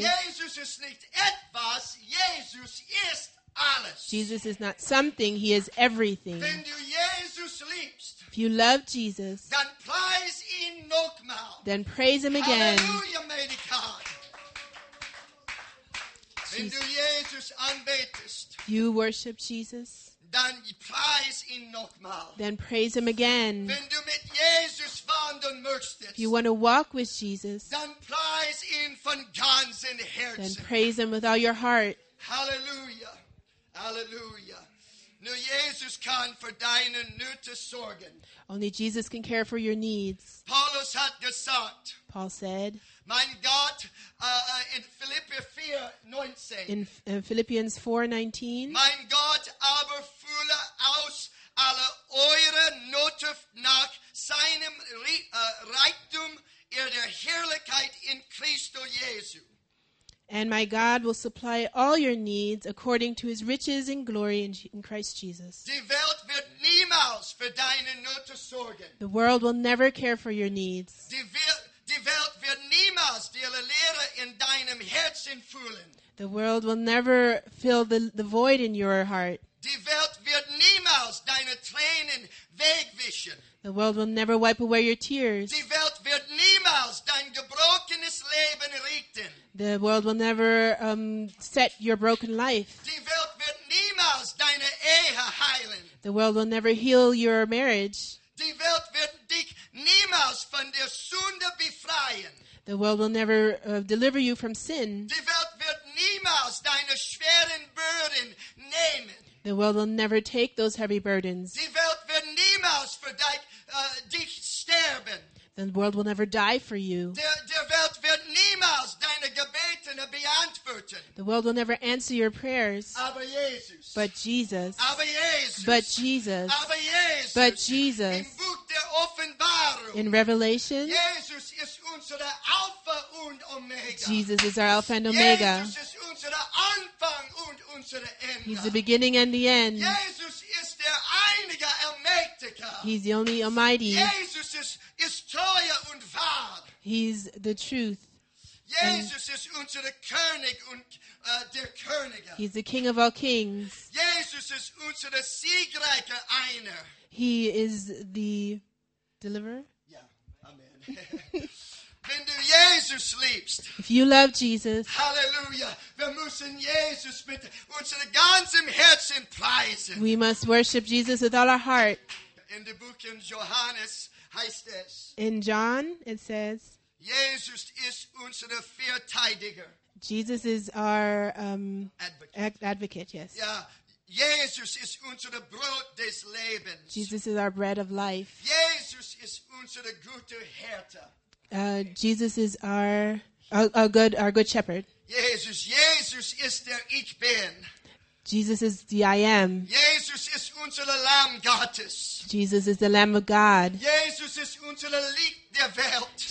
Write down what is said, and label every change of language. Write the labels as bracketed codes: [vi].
[de] Jesus is nicht etwas, Jesus ist alles. [en] Jesus is not something, he is everything. [de] Wenn du Jesus liebst, [en] if you love Jesus, [de] dann preis ihn noch mal. [en] Then praise him again. Hallelujah, may the God. [de] Wenn du Jesus anbetest, [en] you worship Jesus. [de] Dann preis ihn noch mal. [en] Then praise him again. [de] Wenn du mit Jesus wandern möchtest, [en] if you want to walk with Jesus, [de] dann preis ihn von ganzem Herzen. [en] Then praise him with all your heart. Hallelujah. Hallelujah. [de] Nur Jesus kann für deine Nöte sorgen. [en] Only Jesus can care for your needs. [de] Paulus hat gesagt. [en] Paul said. [de] Mein Gott, in Philippians 4:19. [en] In Philippians 4:19. [de] Mein Gott aber fülle aus alle eure Nöte nach seinem Reichtum in der Herrlichkeit in Christo Jesu. [en] And my God will supply all your needs according to his riches and glory in Christ Jesus. [de] Die Welt wird niemals für deine Nöte sorgen. [en] The world will never care for your needs. [de] Die Welt wird niemals die Leere in deinem Herzen füllen. [en] The world will never fill the void in your heart. [de] Die Welt wird niemals deine Tränen wegwischen. [en] The world will never wipe away your tears. [de] Die Welt wird niemals dein gebrochenes Leben richten. [en] The world will never set your broken life. [de] Die Welt wird niemals deine Ehe heilen. [en] The world will never heal your marriage. [de] Die Welt wird dich niemals von der Sünde befreien. [en] The world will never deliver you from sin. [de] Die Welt wird niemals deine schweren Burden nehmen. [en] The world will never take those heavy burdens. [de] Die Welt wird niemals für dich sterben. [en] The world will never die for you. [de] Die Welt wird niemals deine Gebeten beantworten. [en] The world will never answer your prayers. [de] Aber Jesus. [en] But Jesus. [de] Aber Jesus. [en] But Jesus. [de] Aber Jesus. [en] But Jesus. [de] Im Buch der Offenbarung. [en] In Revelation. [de] Jesus ist unsere Alpha und Omega. [en] Jesus is our Alpha and Omega. [de] Jesus ist unser Anfang und unser Ende. [en] He's the beginning and the end. [de] Jesus ist der einzige Allmächtige. [en] He's the only Almighty. [de] Jesus ist treu und wahr. [en] He's the truth. [de] Jesus ist unser König und der Könige. [en] He's the King of all kings. [de] Jesus ist unser siegreicher Einer. [en] He is the deliverer. [de] Yeah, amen. Wenn du Jesus liebst, [en] if you love Jesus, [de] hallelujah, wir müssen Jesus mit unserem ganzen Herzen preisen. [en] We must worship Jesus with all our heart. In the book of Johannes, [de] heißt es, [en] in John, it says, [de] Jesus ist unser Verteidiger. [en] Jesus is our advocate, yes. Yeah. [de] Jesus ist unser Brot des Lebens. [en] Jesus is our bread of life. [de] Jesus ist unser guter Hirte. [en] Jesus is our good shepherd. [de] Jesus, Jesus ist der Ich Bin. [en] Jesus is the I Am. [de] Jesus ist unser Lamm Gottes. [en] Jesus is the Lamb of God. [de] Jesus ist unser Licht der Welt.